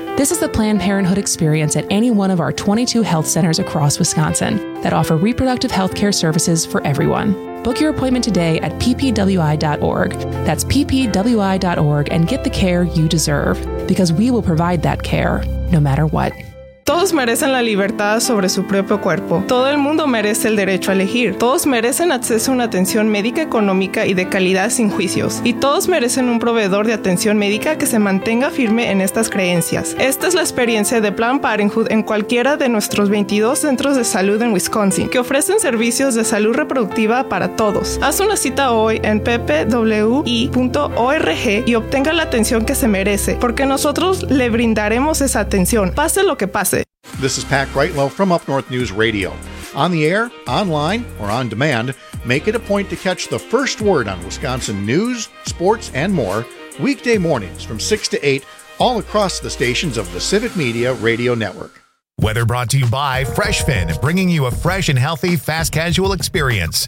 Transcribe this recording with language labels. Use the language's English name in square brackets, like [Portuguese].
[English] This is the Planned Parenthood experience at any one of our 22 health centers across Wisconsin that offer reproductive healthcare services for everyone. Book your appointment today at ppwi.org. That's ppwi.org, and get the care you deserve, because we will provide that care no matter what. [Spanish] Todos merecen la libertad sobre su propio cuerpo. Todo el mundo merece el derecho a elegir. Todos merecen acceso a una atención médica económica y de calidad sin juicios. Y todos merecen un proveedor de atención médica que se mantenga firme en estas creencias. Esta es la experiencia de Planned Parenthood en cualquiera de nuestros 22 centros de salud en Wisconsin, que ofrecen servicios de salud reproductiva para todos. Haz una cita hoy en ppwi.org y obtenga la atención que se merece, porque nosotros le brindaremos esa atención, pase lo que pase. [English] This is Pat Greitlow from Up North News Radio. On the air, online, or on demand, make it a point to catch the first word on Wisconsin news, sports, and more weekday mornings from 6 to 8 all across the stations of the Civic Media Radio Network. Weather brought to you by Freshfin, bringing you a fresh and healthy fast casual experience.